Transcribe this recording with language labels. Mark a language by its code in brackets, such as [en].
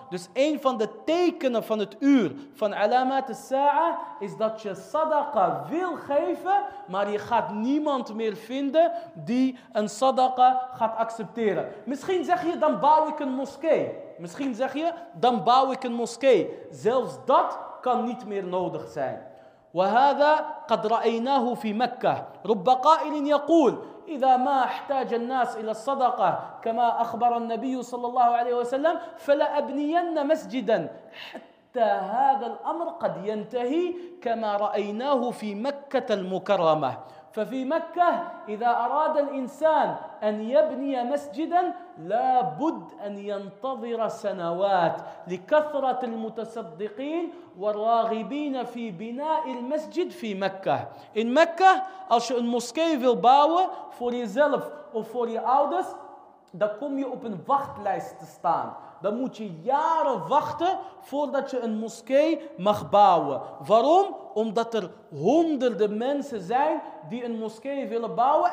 [nl] Dus een van de tekenen van het uur van alamat as-sa'a is dat je sadaqa wil geven, maar je gaat niemand meer vinden die een sadaqa gaat accepteren. Misschien zeg je, dan bouw ik een moskee. Misschien zeg je, dan bouw ik een moskee. Zelfs dat kan niet meer nodig zijn. [ar] وهذا قد رأيناه في مكة رب قائل يقول إذا ما احتاج الناس إلى الصدقة كما أخبر النبي صلى الله عليه وسلم فلأبنين مسجدا حتى هذا الأمر قد ينتهي كما رأيناه في مكة المكرمة. ففي مكة إذا أراد الإنسان أن يبني مسجدا لابد أن ينتظر سنوات لكثرة المتصدقين والراغبين في بناء المسجد في مكة. [nl] In مكة als je een moskee wil bouwen voor jezelf of voor je ouders, dan kom je op een wachtlijst te staan. Dan moet je jaren wachten voordat je een moskee mag bouwen. Waarom? Omdat er honderden mensen zijn die een moskee willen bouwen.